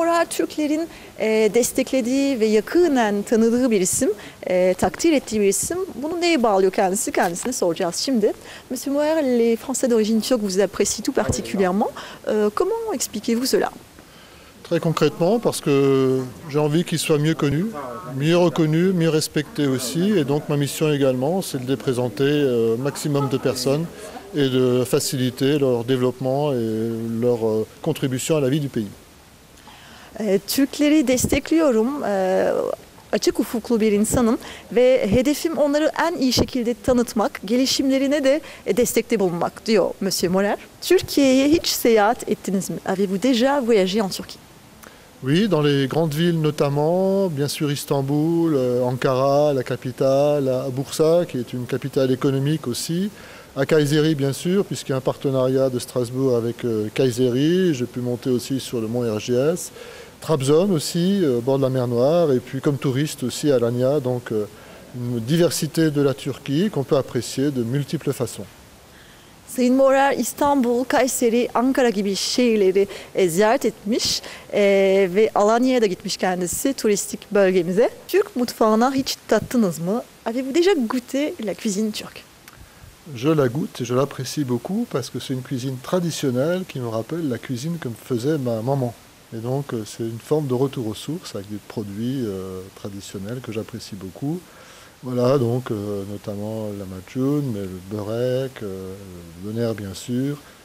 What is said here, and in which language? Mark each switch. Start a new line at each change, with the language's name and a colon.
Turkish: Türklerin desteklediği ve yakından tanıdığı bir isim, takdir ettiği bir isim. Bunu neye bağlıyor kendisi? Kendisine soracağız şimdi.
French: Monsieur Moer, les Français d'origine turque vous apprécient tout particulièrement. Comment expliquez-vous cela? Très concrètement, parce que j'ai envie qu'ils soient mieux connus, mieux reconnus, mieux respectés aussi. Et donc ma mission également, c'est de les présenter au maximum de personnes et de faciliter leur développement et leur contribution à la vie du pays.
Turkish: Türkleri destekliyorum. Açık ufuklu bir insanım ve hedefim onları en iyi şekilde tanıtmak, gelişimlerine de destekte bulunmak diyor Monsieur Moer. Türkiye'ye hiç seyahat ettiniz mi?
French: Avez-vous déjà voyagé en Turquie? Oui, dans les grandes villes notamment, bien sûr Istanbul, Ankara, la capitale, à Bursa, qui est une capitale économique aussi, à Kayseri bien sûr, puisqu'il y a un partenariat de Strasbourg avec Kayseri, j'ai pu monter aussi sur le mont Erciyes, Trabzon aussi, au bord de la mer Noire, et puis comme touriste aussi à Alanya, donc une diversité de la Turquie qu'on peut apprécier de multiples façons.
Turkish: Sayın Moer, İstanbul, Kayseri, Ankara gibi şehirleri ziyaret etmiş ve Alanya'ya da gitmiş kendisi turistik bölgemize. Türk mutfağına hiç tattınız mı?
French: Avez-vous déjà goûté la cuisine turque? Je la goûte et je l'apprécie beaucoup parce que c'est une cuisine traditionnelle qui me rappelle la cuisine que faisait ma maman. Et donc c'est une forme de retour aux sources avec des produits traditionnels que j'apprécie beaucoup. Voilà, donc notamment la macchoun, mais le börek, le ner bien sûr.